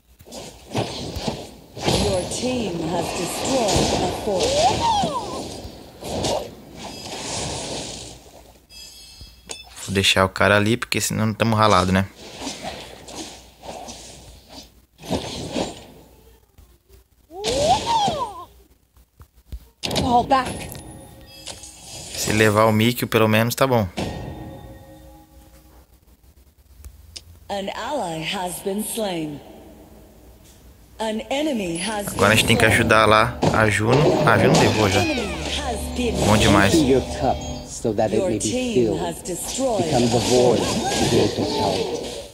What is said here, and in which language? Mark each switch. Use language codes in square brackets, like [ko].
[en] Your team has destroyed a fort. [pt] Vou deixar o cara ali, porque senão não estamos ralado, né? [en] Fall back. [pt] Se levar o Mikio, pelo menos tá bom. [en] An ally has been slain. An enemy has been slain. [pt] Agora a gente tem que ajudar lá a Juno. Ah, Juno levou já. Bom demais. [en] Your cup so that it may be filled. Has destroyed. Become the void to gain totality.